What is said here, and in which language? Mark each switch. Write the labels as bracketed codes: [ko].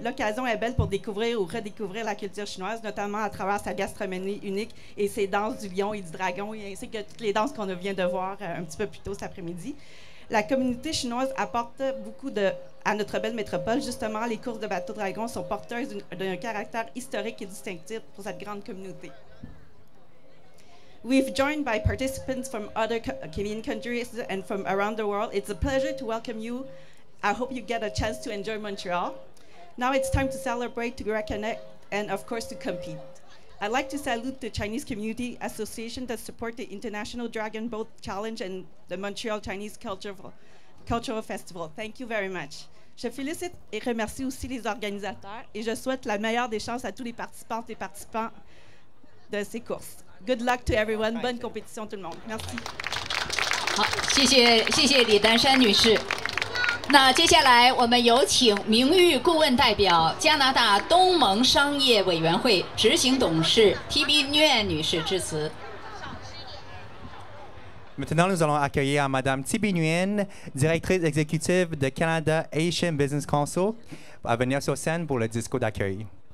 [fr] L'occasion est belle pour découvrir ou redécouvrir la culture chinoise, notamment à travers sa gastronomie unique et ses danses du lion et du dragon, ainsi que toutes les danses qu'on vient de voir un petit peu plus tôt cet après-midi. La communauté chinoise apporte beaucoup à notre belle métropole. Justement, les courses de bateaux dragons sont porteuses d'un caractère historique et distinctif pour cette grande communauté. [en] We've joined by participants from other Canadian countries and from around the world. It's a pleasure to welcome you. I hope you get a chance to enjoy Montreal. Now it's time to celebrate, to reconnect, and of course to compete. I'd like to salute the Chinese Community Association that support the International Dragon Boat Challenge and the Montreal Chinese Cultural Cultural Festival. Thank you very much. [fr] Je félicite et remercie aussi les organisateurs et je souhaite la meilleure des chances à tous les participantes et participants de ces courses. [en] Good luck to everyone. [fr] Bonne compétition tout le monde. Merci. [zh] 好，谢谢谢谢李丹山女士。那接下来我们有请名誉顾问代表加拿大东盟商业委员会执行董事 TB Nguyen 女士致辞。 [fr] Maintenant, nous allons accueillir Madame TB Nguyen, directrice exécutive de Canada Asian Business Council, à venir sur scène pour le discours d'accueil.